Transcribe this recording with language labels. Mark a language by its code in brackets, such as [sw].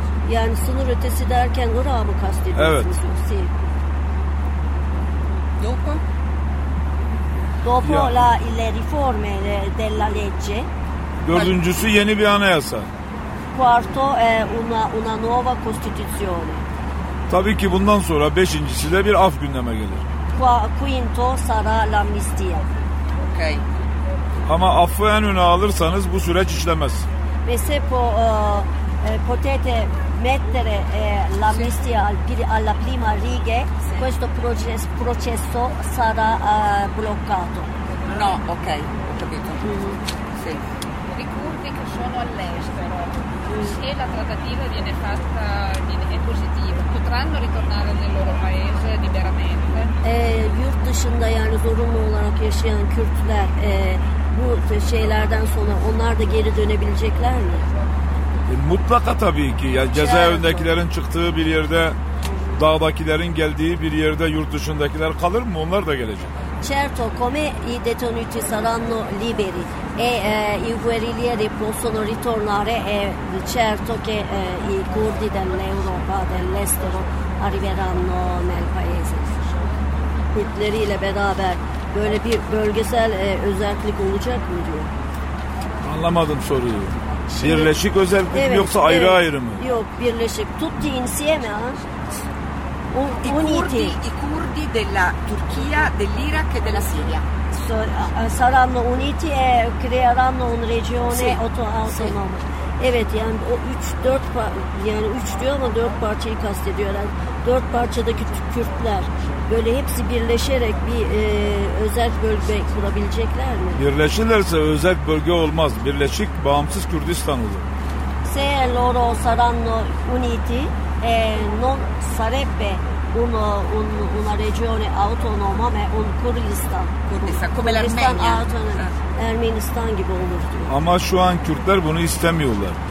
[tr] Yani sınır ötesi derken orayı mı kastediyorsunuz? Evet. [it] Sì. Dopo? Dopo yani. le riforme della legge. [tr] Dördüncüsü yeni bir anayasa. [it] quarto è una nuova costituzione. [tr] Tabii ki bundan sonra beşincisi de bir af gündeme gelir. [it] Quinto sarà l'amnistia. Ok. [tr] Ama affı en öne alırsanız bu süreç işlemez. [it] Ve se potete mettere l'amnistia alla prima riga, questo processo sarà bloccato. No, ok, ho capito. I curdi che sono all'estero, se la trattativa viene fatta è positiva, potranno ritornare nel loro paese liberamente? [tr] Yurt dışında yani zorunlu olarak yaşayan Kürtler bu şeylerden sonra onlar da geri dönebilecekler mi? Mutlaka tabii ki. Yani cezaevindekilerin çıktığı bir yerde, dağdakilerin geldiği bir yerde yurt dışındakiler kalır mı? Onlar da gelecek. [it] Certo, come i detenuti saranno liberi e i guerriglieri possono ritornare, è certo che i curdi dell'Europa, dell'estero arriveranno nel paese. [tr] Kürtleriyle beraber böyle bir bölgesel özellik olacak mı diyor? Anlamadım soruyu. Birleşik özellik evet, mi yoksa ayrı ayrı mı? Yok, birleşik. [it] Tutti insieme. I curdi della Turchia, dell'Iraq e della Siria. Saranno uniti e creeranno una regione autonoma. [tr] Evet, yani o 3-4 yani 3 diyor ama 4 parçayı kastediyor. 4 parçadaki Kürtler böyle hepsi birleşerek bir özel bölge kurabilecekler mi? Birleşirlerse özel bölge olmaz. Birleşik bağımsız Kürdistan olur. [it] Se loro saranno uniti, non sarebbe una regione autonoma ma un Kurdistan. Kurdistan, come l'Armenia. [tr] Ermenistan gibi olur diyor. Ama şu an Kürtler bunu istemiyorlar.